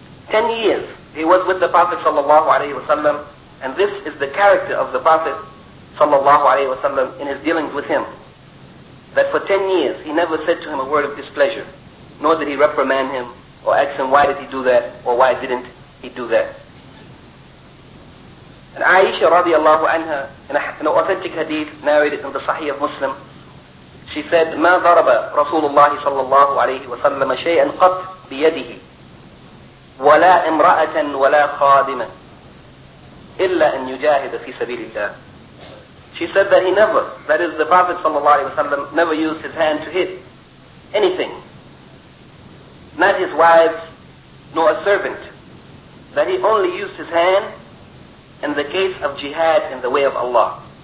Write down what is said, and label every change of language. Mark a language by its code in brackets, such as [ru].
[en] 10 years he was with the Prophet sallallahu alayhi wa sallam, and this is the character of the Prophet sallallahu alayhi wa sallam in his dealings with him, that for 10 years he never said to him a word of displeasure, nor did he reprimand him or ask him why did he do that or why didn't he do that. And Aisha radiallahu anha, in an authentic hadith narrated in the Sahih of Muslim, she said, [ar] مَا ضَرَبَ رَسُولُ اللَّهِ صَلَّى اللَّهُ عَلَيْهِ وَسَلَّمَ شَيْئًا قَطْ بِيَدِهِ وَلَا إِمْرَأَةً وَلَا خَادِمًا إِلَّا أَنْ يُجَاهِدَ فِي سَبِيلِ اللَّهِ. [en] She said that he never, that is the Prophet sallallahu alayhi wa sallam, never used his hand to hit anything, not his wives, nor a servant, that he only used his hand in the case of jihad in the way of Allah.